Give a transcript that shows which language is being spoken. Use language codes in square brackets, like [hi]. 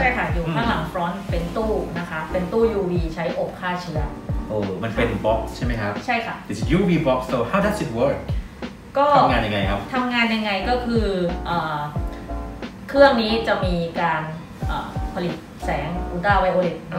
[th] ใช่ค่ะอยู่ข้างหลัง front เป็นตู้นะคะเป็นตู้ UV ใช้อบฆ่าเชื้อ โอ้มันเป็น box ใช่ไหมครับ ใช่ค่ะ [en] it's UV box so how does it work [th] ก็ ทำงานยังไงครับ ทำงานยังไงก็คือเครื่องนี้จะมีการผลิตแสงอุลตราไวโอเลต